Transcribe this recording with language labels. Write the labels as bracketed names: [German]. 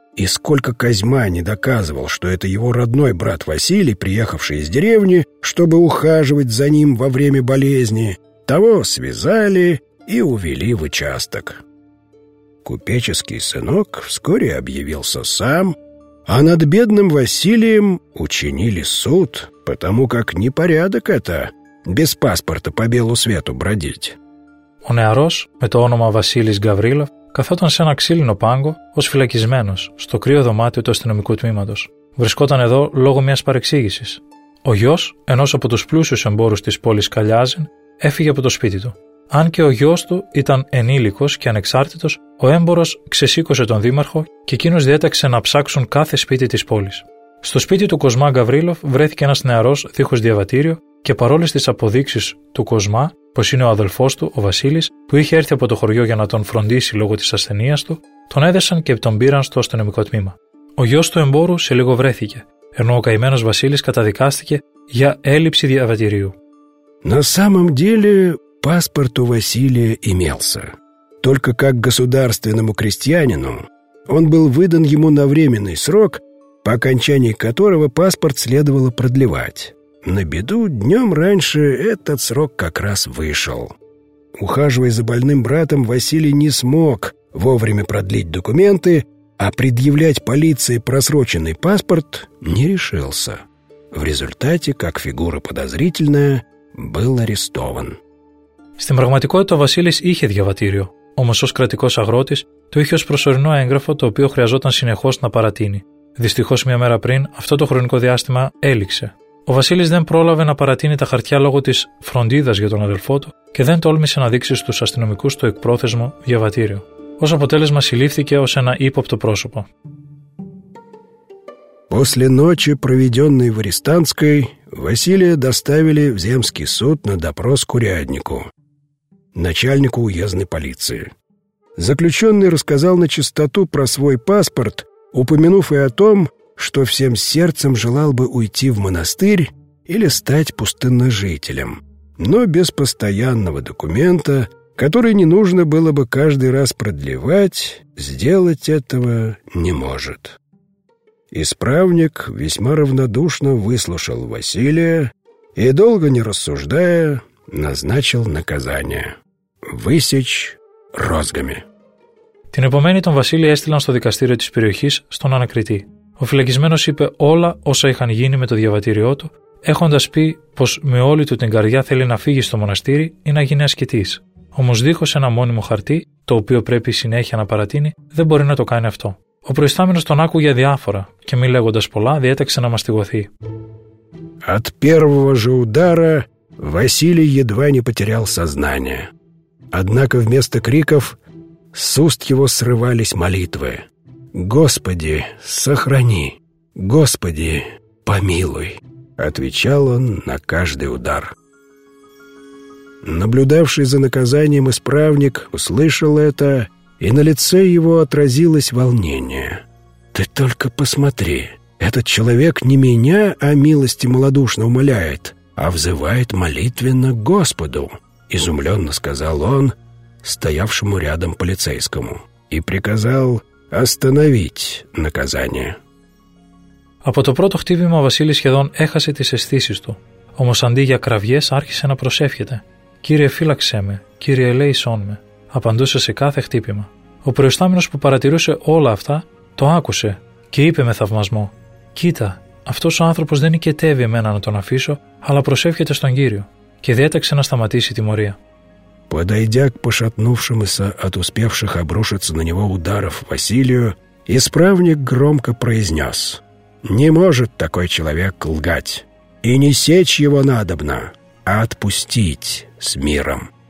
[Russian] И сколько Козьма не доказывал, что это его родной брат Василий, приехавший из деревни, чтобы ухаживать за ним во время болезни, того связали и увели в участок. Купеческий сынок вскоре объявился сам, а над бедным Василием учинили суд, потому как непорядок это без паспорта по белу свету бродить. [Greek] Ο νεαρός με το όνομα Βασίλης Γαβρίλοφ καθόταν σε ένα ξύλινο πάγκο ως φυλακισμένος στο κρύο δωμάτιο του αστυνομικού τμήματος. Βρισκόταν εδώ λόγω μιας παρεξήγησης. Ο γιος ενός από τους πλούσιους εμπόρους της πόλης Καλιάζιν έφυγε από το σπίτι του. Αν και ο γιος του ήταν ενήλικος και ανεξάρτητος, ο έμπορος ξεσήκωσε τον δήμαρχο και εκείνος διέταξε να ψάξουν κάθε σπίτι της πόλης. Στο σπίτι του Κοσμά Γαβρίλοφ βρέθηκε ένας νεαρός δίχως διαβατήριο και παρόλες τις αποδείξεις του Κοσμά, πως είναι ο αδελφός του, ο Βασίλης, που είχε έρθει από το χωριό για να τον φροντίσει λόγω της ασθενείας του, τον έδεσαν και τον πήραν στο αστυνομικό τμήμα. Ο γιος του εμπόρου σε λίγο βρέθηκε, ενώ ο καημένος Βασίλης καταδικάστηκε για έλλειψη διαβατηρίου. [Russian] На самом деле, паспорт у Василия имелся. Только как государственному крестьянину, он был выдан ему на временный срок, по окончании которого паспорт следовало продлевать. На беду, днем раньше этот срок как раз вышел. Ухаживая за больным братом, Василий не смог вовремя продлить документы, а предъявлять полиции просроченный паспорт не решился. В результате, как фигура подозрительная, был арестован. [Greek] Στην πραγματικότητα ο Βασίλης είχε διαβατήριο, όμως ως κρατικός αγρότης το είχε ως προσωρινό έγγραφο το οποίο χρειαζόταν συνεχώς να παρατείνει. Δυστυχώς μια μέρα πριν αυτό το χρονικό διάστημα έληξε. Ο Βασίλης δεν πρόλαβε να παρατείνει τα χαρτιά λόγω της φροντίδας για τον αδελφό του και δεν τόλμησε να δείξει στους αστυνομικούς το εκπρόθεσμο διαβατήριο. Ως αποτέλεσμα συλλήφθηκε ως ένα ύποπτο πρόσωπο. [Russian] После ночи, проведенной в Арестантской, Василия доставили в земский суд на допрос к уряднику, начальнику уездной полиции. Заключенный рассказал начистоту про свой паспорт, упомянув и о том, что всем сердцем желал бы уйти в монастырь или стать пустынножителем, но без постоянного документа, который не нужно было бы каждый раз продлевать, сделать этого не может. Исправник весьма равнодушно выслушал Василия и, долго не рассуждая, назначил наказание – высечь розгами. [Greek] Την επομένη τον Βασίλη έστειλαν στο δικαστήριο της περιοχής, στον ανακριτή. Ο φυλακισμένος είπε όλα όσα είχαν γίνει με το διαβατήριό του, έχοντας πει πως με όλη του την καρδιά θέλει να φύγει στο μοναστήρι ή να γίνει ασκητής. Όμως δίχως ένα μόνιμο χαρτί, το οποίο πρέπει συνέχεια να παρατείνει, δεν μπορεί να το κάνει αυτό. Ο προϊστάμενος τον άκουγε διάφορα και μη λέγοντας πολλά διέταξε να μαστιγωθεί. [Russian] От первого же удара Василий едва не потерял сознание. Однако вместо криков с уст его срывались молитвы. «Господи, сохрани! Господи, помилуй!» Отвечал он на каждый удар. Наблюдавший за наказанием исправник услышал это, и на лице его отразилось волнение. «Ты только посмотри! Этот человек не меня о милости малодушно умоляет, а взывает молитвенно к Господу!» Изумленно сказал он стоявшему рядом полицейскому и приказал остановить наказание. [Greek] Από το πρώτο χτύπημα ο Βασίλης σχεδόν έχασε τις αισθήσεις του. Όμως αντί για κραυγές άρχισε να προσεύχεται. «Κύριε φύλαξέ με, Κύριε ελέησόν με», απαντούσε σε κάθε χτύπημα. Ο προϊστάμενος που παρατηρούσε όλα αυτά το άκουσε και είπε με θαυμασμό: «Κοίτα, αυτός ο άνθρωπος δεν νικετεύει εμένα να τον αφήσω, αλλά προσεύχεται στον Κύριο», και διέταξε να σταματήσει η τιμωρία. [Russian] Подойдя к пошатнувшемуся от успевших обрушиться на него ударов Василию, исправник громко произнес: «Не может такой человек лгать, и не сечь его надобно, а отпустить с миром».